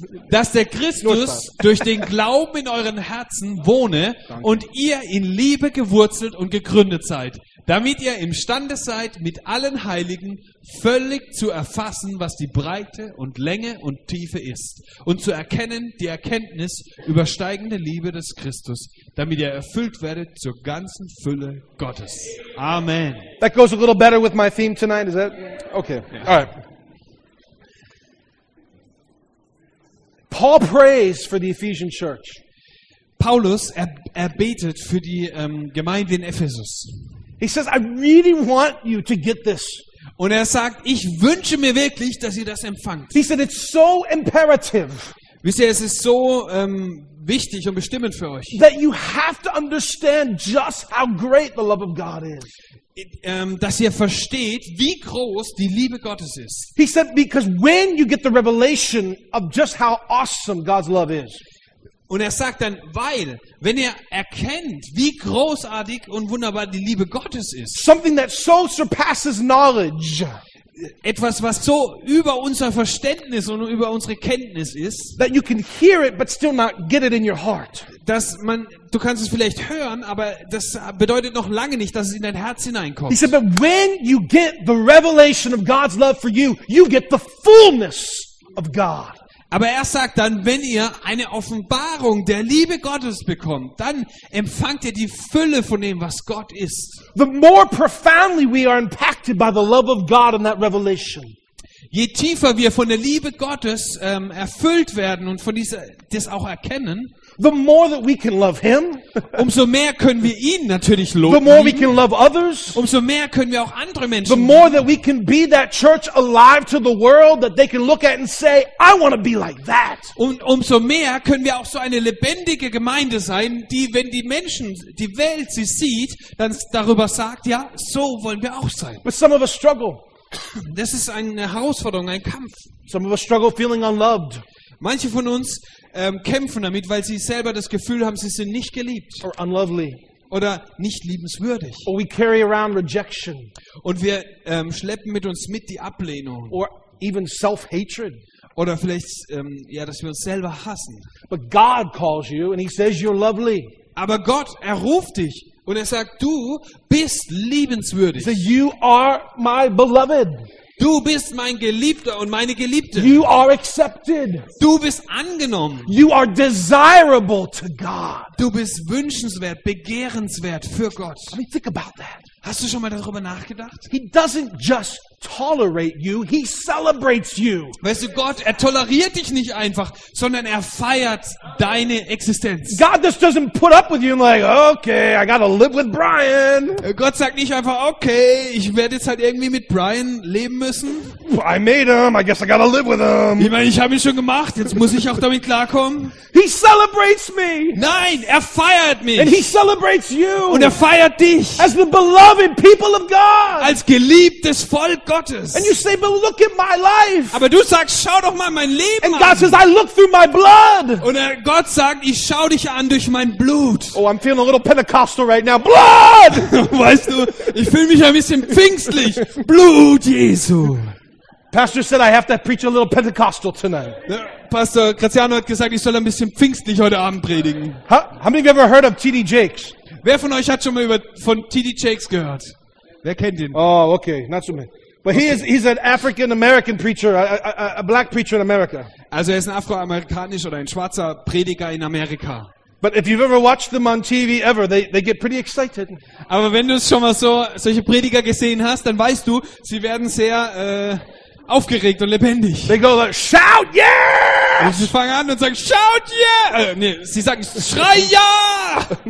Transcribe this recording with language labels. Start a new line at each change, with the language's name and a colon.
German: Dass der Christus durch den Glauben in euren Herzen wohne und ihr in Liebe gewurzelt und gegründet seid, damit ihr imstande seid, mit allen Heiligen völlig zu erfassen, was die Breite und Länge und Tiefe ist und zu erkennen die Erkenntnis übersteigende Liebe des Christus, damit ihr erfüllt werdet zur ganzen Fülle Gottes. Amen.
English: That goes a little better with my theme tonight, is that? Okay, yeah. All right. Paul prays for the Ephesian church.
German: Paulus betet für die Gemeinde in Ephesus.
English: He says, I really want you to get this.
German: Und sagt, ich wünsche mir wirklich, dass ihr das empfangt.
English: He said, it's so imperative.
German: Wisst ihr, es ist so wichtig und bestimmend für euch.
English: That you have to understand just how great the love of God is.
German: Dass ihr versteht, wie groß die Liebe Gottes ist.
English: He said, because when you get the revelation of just how awesome God's love is.
German: Und sagt dann, weil, wenn ihr erkennt, wie großartig und wunderbar die Liebe Gottes ist.
English: Something that so surpasses knowledge.
German: Etwas, was so über unser Verständnis und über unsere Kenntnis ist.
English: That you can hear it, but still not get it in your heart.
German: Dass man, du kannst es vielleicht hören, aber das bedeutet noch lange nicht, dass es in dein Herz hineinkommt.
English: He said, but when you get the revelation of God's love for you, you get the fullness of God.
German: Aber sagt dann, wenn ihr eine Offenbarung der Liebe Gottes bekommt, dann empfangt ihr die Fülle von dem, was Gott ist.
English: The more profoundly we are impacted by the love of God and that revelation.
German: Je tiefer wir von der Liebe Gottes erfüllt werden und von dieser das auch erkennen,
English: the more that we can love him,
German: umso mehr können wir ihn natürlich lieben.
English: The more we can love others,
German: umso mehr können wir auch andere Menschen.
English: The more that we can be that church alive to the world that they can look at and say, I want to be like that.
German: Und umso mehr können wir auch so eine lebendige Gemeinde sein, die, wenn die Menschen, die Welt sie sieht, dann darüber sagt, ja, so wollen wir auch sein.
English: But some of us struggle.
German: Das ist eine Herausforderung, ein Kampf.
English: Some of us struggle feeling unloved.
German: Manche von uns kämpfen damit, weil sie selber das Gefühl haben, sie sind nicht geliebt.
English: Or unlovely.
German: Oder nicht liebenswürdig.
English: Or we carry around rejection.
German: Und wir schleppen mit uns mit die Ablehnung.
English: Or even self-hatred.
German: Oder vielleicht, dass wir uns selber hassen.
English: But God calls you and he says you're lovely.
German: Aber Gott, ruft dich. Und sagt, du bist liebenswürdig.
English: So you are my beloved.
German: Du bist mein Geliebter und meine Geliebte.
English: You are accepted.
German: Du bist angenommen.
English: You are desirable to God.
German: Du bist wünschenswert, begehrenswert für Gott.
English: I mean, think about that.
German: Hast du schon mal darüber nachgedacht?
English: He doesn't just tolerate you, he celebrates you.
German: Weißt du, Gott, er toleriert dich nicht einfach, sondern er feiert deine Existenz.
English: God just doesn't put up with you and like, okay, I gotta live with Brian.
German: Gott sagt nicht einfach, okay, ich werde jetzt halt irgendwie mit Brian leben müssen.
English: I made him, I guess I gotta live with him.
German: Ich meine, ich habe ihn schon gemacht, jetzt muss ich auch damit klarkommen.
English: He celebrates me.
German: Nein, er feiert mich.
English: And he celebrates you.
German: Und er feiert dich.
English: As the beloved people of God.
German: Als geliebtes Volk Gottes.
English: And you say, but look at my life.
German: Aber du sagst, schau doch mal mein Leben an.
English: And God says, I look through my blood.
German: Und Gott sagt, ich schau dich an durch mein Blut.
English: Oh, I'm feeling a little Pentecostal right now. Blood!
German: Weißt du, ich fühle mich ein bisschen pfingstlich. Blut Jesu.
English: Pastor said I have to preach a little Pentecostal tonight.
German: Pastor Graziano hat gesagt, ich soll ein bisschen pfingstlich heute Abend predigen.
English: How many of you ever heard of T.D. Jakes?
German: Wer von euch hat schon mal von T.D. Jakes gehört? Wer kennt ihn?
English: Oh, okay, not so many. But okay. He's an African American preacher, a black preacher in America.
German: Also er ist ein Afroamerikanischer oder ein schwarzer Prediger in Amerika.
English: But if you've ever watched them on TV ever, they get pretty excited.
German: Aber wenn du schon mal solche Prediger gesehen hast, dann weißt du, sie werden sehr aufgeregt und lebendig.
English: They go like, shout yes!
German: Und sie fangen an und sagen,
English: shout yeah!
German: Sie sagen, schrei ja!